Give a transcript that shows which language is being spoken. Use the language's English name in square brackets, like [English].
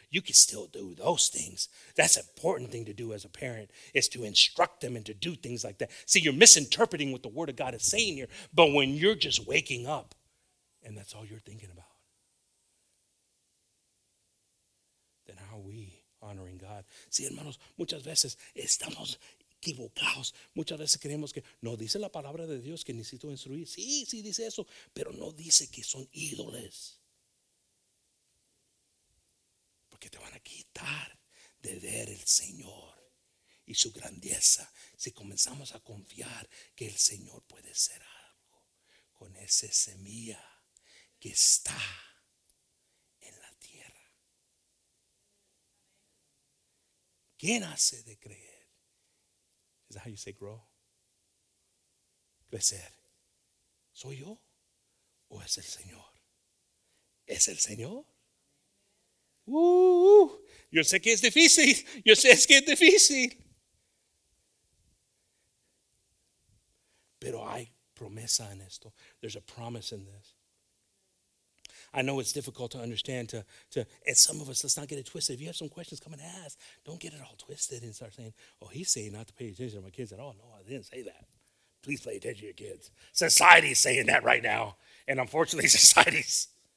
[English] You can still do those things. That's an important thing to do as a parent is to instruct them and to do things like that. See, you're misinterpreting what the Word of God is saying here, but when you're just waking up and that's all you're thinking about, then how are we honoring God? [Spanish] See, hermanos, muchas veces estamos equivocados. Muchas veces creemos que no dice la palabra de Dios que necesito instruir. Sí, sí dice eso, pero no dice que son ídolos. Porque te van a quitar de ver el Señor y su grandeza. Si comenzamos a confiar que el Señor puede hacer algo con esa semilla que está en la tierra. ¿Quién hace de creer? [English] Is that how you say grow? [Spanish] Crecer. ¿Soy yo? ¿O es el Señor? ¿Es el Señor? Yo sé que es difícil. Yo sé que es difícil. Pero hay promesa en esto. [English] There's a promise in this. I know it's difficult to understand to and some of us, let's not get it twisted. If you have some questions, come and ask. Don't get it all twisted and start saying, oh, he's saying not to pay attention to my kids at all. No, I didn't say that. Please pay attention to your kids. Society's saying that right now. And unfortunately, society's.